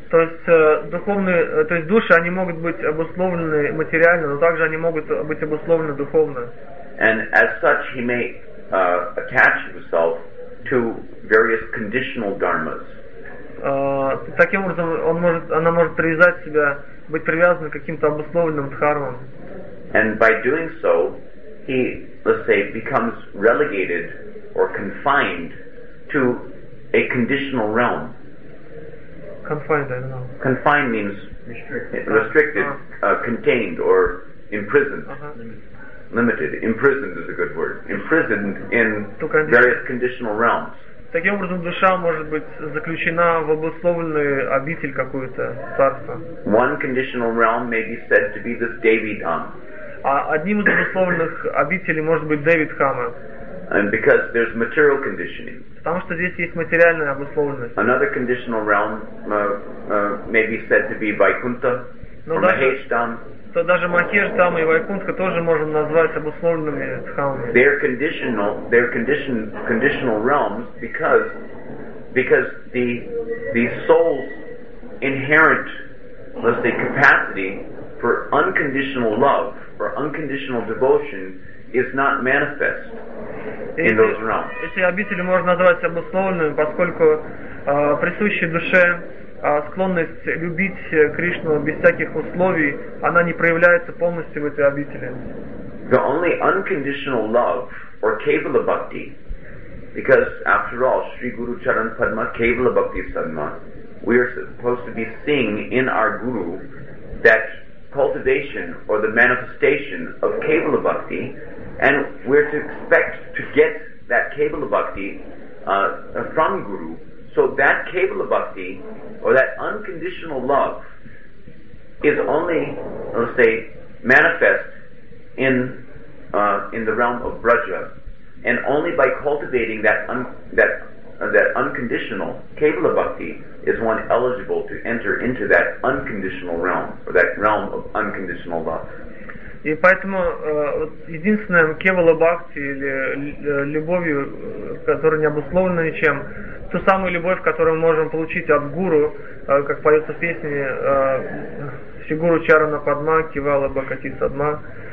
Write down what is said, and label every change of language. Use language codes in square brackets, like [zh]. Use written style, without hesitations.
[ru] То есть души они могут быть обусловлены материально, но также они могут быть обусловлены духовно. [en] And as such, he may attach himself to various conditional dharmas. [ru] Таким образом, она может привязать себя, быть привязана к каким-то обусловленным дхармам. [en] And by doing so, he, let's say, becomes relegated or confined to a conditional realm. Confined, I don't know. Confined means restricted, contained, or imprisoned. Uh-huh. Limited. Imprisoned is a good word. Imprisoned in various conditional realms. [ru] Таким образом, душа может быть заключена в обусловленную обитель какую-то, царство. [en] One conditional realm may be said to be this Devi Dham. [ru] А одним из обусловленных обителей может быть Дэвид Хама. [en] And because there's material conditioning. [ru] Потому что здесь есть материальная обусловленность. [en] Another conditional realm may be said to be Vaikuntha or Mahesh Dham. [ru] То даже Махеш Дхама и Вайкунтха тоже можем назвать обусловленными дхамами. [en] They're conditional realms because the soul's inherent, let's say, capacity for unconditional love or unconditional devotion is not manifest in those realms. [ru] Эти обители можно назвать обусловленными, поскольку присущие душе склонность любить Кришну без всяких условий, она не проявляется полностью в этой обители. [en] The only unconditional love or kevala bhakti, because after all, [sa] Sri Guru Charan Padma kevala bhakti sadma, [en] we are supposed to be seeing in our guru that cultivation or the manifestation of kevala bhakti, and we're to expect to get that kevala bhakti from guru. So that kevala bhakti, or that unconditional love, is only, let's say, manifest in the realm of braja, and only by cultivating that unconditional kevala bhakti is one eligible to enter into that unconditional realm, or that realm of unconditional love. [ru] И поэтому единственное кевала бхакти или любовью, которая не обусловлена ничем, ту самую любовь, которую мы можем получить от гуру, как поется в песне [sa] «Сигуру Чарана Падма, Кивала Бхакати Садма».